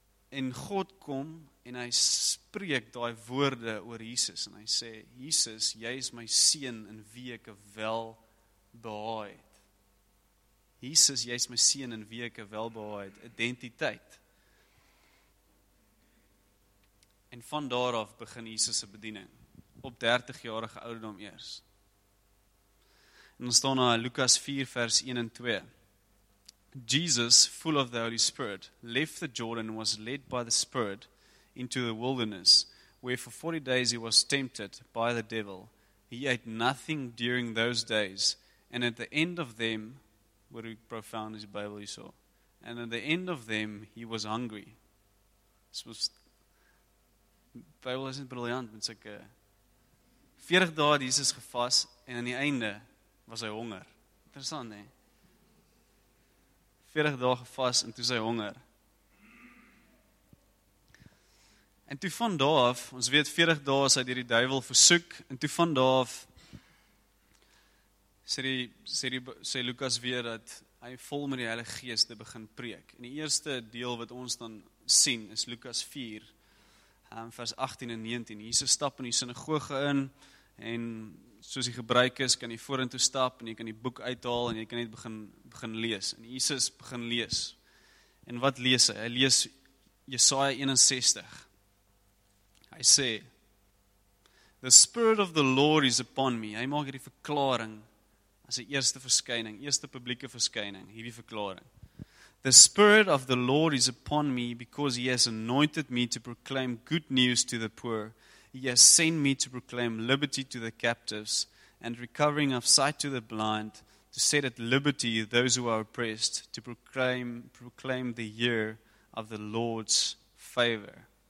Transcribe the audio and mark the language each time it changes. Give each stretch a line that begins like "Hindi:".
Afrikaans: en God kom, en hy spreek daai woorde oor Jesus, en hy sê, Jesus, jy is my Seun, in wie ek wel behaai het, Jesus, jy is my Seun, in wie ek wel behaai het, identiteit, en van daar af begin Jesus se bediening, op 30-jarige ouderdom eers. En dan staan daar Lukas 4 vers 1 en 2.
English: Jesus, full of the Holy Spirit, left the Jordan and was led by the Spirit into the wilderness, where for 40 days he was tempted by the devil. He ate nothing during those days, and at the end of them, what a profound is the Bible you saw, and at the end of them he was hungry.
Afrikaans: Bybel is net briljant met sulke 40 dae het Jesus gevas en aan die einde was hy honger. Interessant, hè? 40 dae gevas en toe is hy honger. En toe van daar af, ons weet 40 dae is hy deur die duivel versoek en toe van daar af sê Lukas weer dat hy vol met die Heilige Gees te begin preek. En die eerste deel wat ons dan sien is Lukas 4 vers 18 en 19, Jesus stap in die sinagoge in, en soos die gebruik is, kan jy vorentoe stap, en jy kan die boek uithaal, en jy kan net begin lees, en Jesus begin lees, en wat lees hy? Hy lees Jesaja 61, hy sê,
English: the Spirit of the Lord is upon me,
Afrikaans: hy maak hierdie verklaring, as die eerste verskyning, eerste publieke verskyning, hierdie verklaring,
English: The Spirit of the Lord is upon me because He has anointed me to proclaim good news to the poor. He has sent me to proclaim liberty to the captives and recovering of sight to the blind, to set at liberty those who are oppressed, to proclaim the year of the Lord's favor.